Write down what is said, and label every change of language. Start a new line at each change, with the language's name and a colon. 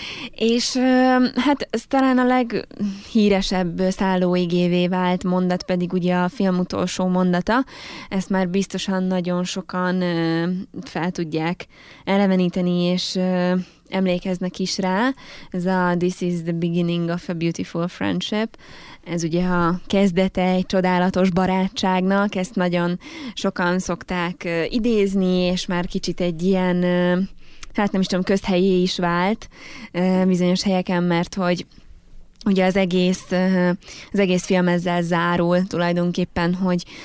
Hungarian: És hát ez talán a leghíresebb szállóigévé vált mondat pedig ugye a film utolsó mondata. Ezt már biztosan nagyon sokan fel tudják eleveníteni, és emlékeznek is rá. Ez a
English: This is the beginning of a beautiful friendship.
Hungarian: Ez ugye a kezdete egy csodálatos barátságnak. Ezt nagyon sokan szokták idézni, és már kicsit egy ilyen hát nem is tudom, közhelyé is vált bizonyos helyeken, mert hogy ugye az egész film ezzel zárul tulajdonképpen, hogy